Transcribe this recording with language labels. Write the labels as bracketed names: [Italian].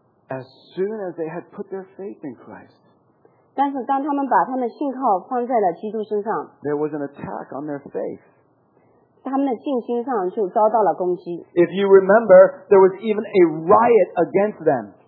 [English] As soon as they had put their faith in Christ, [Chinese] 但是当他们把他们信靠放在了基督身上， [English] there was an attack on their faith. [Chinese] 他们的信心上就遭到了攻击。 [English] If you remember, there was even a riot against them.